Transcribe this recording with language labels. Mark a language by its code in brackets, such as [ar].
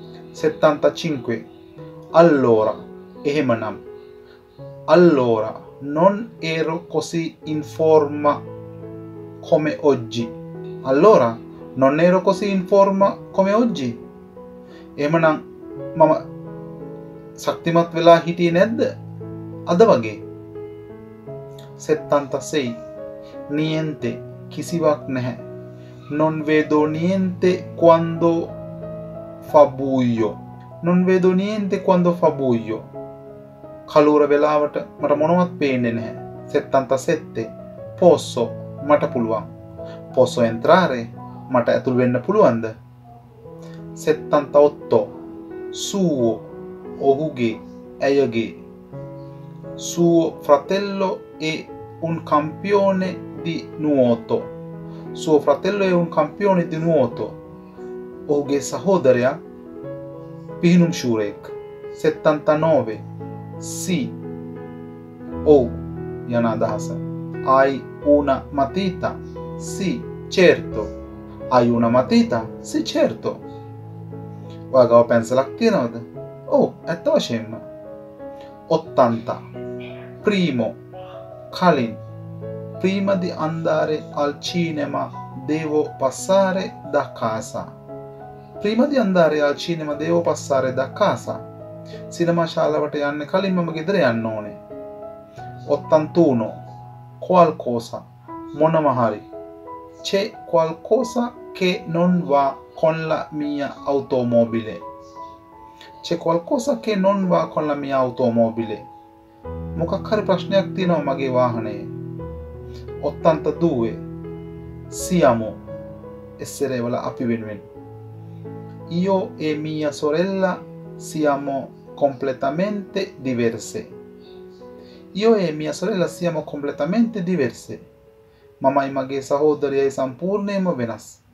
[si] 75 allora ehemanam. [it] Allora non ero così in forma come oggi. Allora non ero così in forma come oggi. [si] Ehemanam mama ශක්තිමත් වෙලා හිටියේ නැද්ද අද වගේ. 76 niente කිසිවක් නැහැ. [it] Non vedo niente quando fa buio. Non vedo niente quando fa buio. [si] කළුර වෙලාවට මට මොනවත් පේන්නේ නැහැ. 77 posso මට පුළුවන්. [it] Posso entrare [si] මට ඇතුල් වෙන්න පුළුවන්ද. 78 suo ඔහුගේ ඇයගේ. [it] Suo fratello è un campione di nuoto. Suo fratello è un campione di nuoto. [si] ඔහුගේ සහෝදරයා පිහිනුම් ශූරයෙක්. 79 si o යන අදහස. [it] Hai una matita? Si certo. Hai una matita? Si certo. [si] ඔයාගේ පැන්සලක් තියෙනවද? Oh, ඇත්ත වශයෙන්ම. 80 primo kalin. [it] Prima di andare al cinema devo passare da casa. Prima di andare al cinema devo passare da casa. [si] Cinema ශාලාවට යන්න කලින් මම ගෙදර යන්න ඕනේ. 81 qualcosa මොනම හරි. [it] C'è qualcosa che non va con la mia automobile. C'è qualcosa che non va con la mia automobile. [si] මොකක් හරි ප්‍රශ්නයක් තියෙනවා මගේ වාහනේ. 82 siamo essere vola api wenwen. [it] Io e mia sorella siamo completamente diverse. Io e mia sorella siamo completamente diverse. [si] මමයි මගේ සහෝදරයයි සම්පූර්ණයෙන්ම වෙනස්.